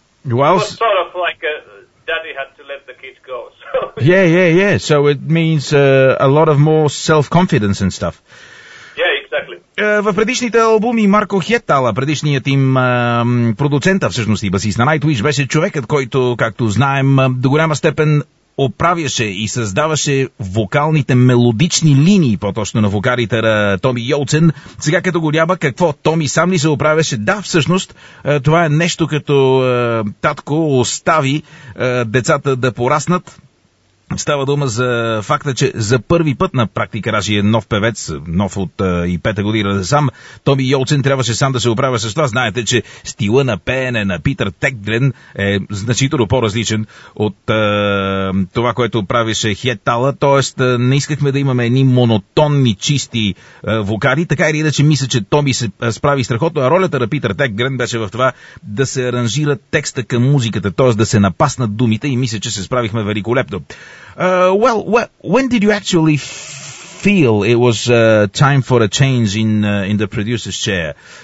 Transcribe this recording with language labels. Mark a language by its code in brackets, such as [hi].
[en] It was sort of like daddy had to let the kids go. So. Yeah. So it means a lot of more self-confidence and stuff. [bg] В предишните албуми Марко Хиетала, предишният им продуцента, всъщност и басист на Nightwish, беше човекът, който, както знаем, до голяма степен оправяше и създаваше вокалните мелодични линии, по-точно на вокалите на Томи Йолцен. Сега като го няма, какво Томи сам ли се оправяше? Да, всъщност, това е нещо като татко остави децата да пораснат. Става дума за факта, че за първи път на практика Ражи е нов певец, нов от и пета година сам. Томи Йолцен трябваше сам да се оправя с това. Знаете, че стила на пеене на Питър Тегдрен е значително по-различен от това, което правише Хиетала. Тоест, не искахме да имаме едни монотонни, чисти вокали. Така или иначе, мисля, че Томи се справи страхотно. А ролята на Питър Тегдрен беше в това да се аранжира текста към музиката, т.е. да се напаснат думите, и мисля, че се справихме великолепно. [en] When did you actually feel it was time for a change in the producer's chair?